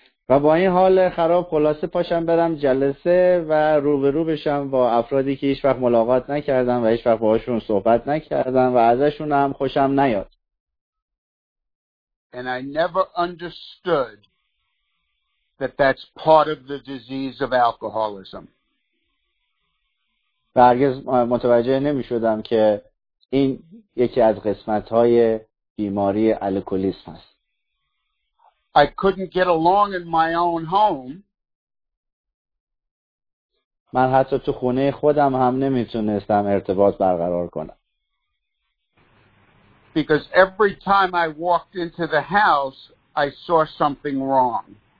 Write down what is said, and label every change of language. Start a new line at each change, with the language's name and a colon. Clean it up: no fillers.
Persian: و با این حال خراب خلاصه پاشم برم جلسه و روبرو بشم با افرادی که هیچ وقت ملاقات نکردم و هیچ وقت باهاشون صحبت نکردم و ازشون هم خوشم نیاد.
English: And I never understood that that's part of the disease of alcoholism.
Persian: و هرگز متوجه نمی شدم که این یکی از قسمت‌های بیماری الکلیسم است.
English: I couldn't get along in my own home.
Persian: من حتی تو خونه خودم هم نمی تونستم ارتباط برقرار کنم.
English: because every time I walked into the house, I saw something wrong.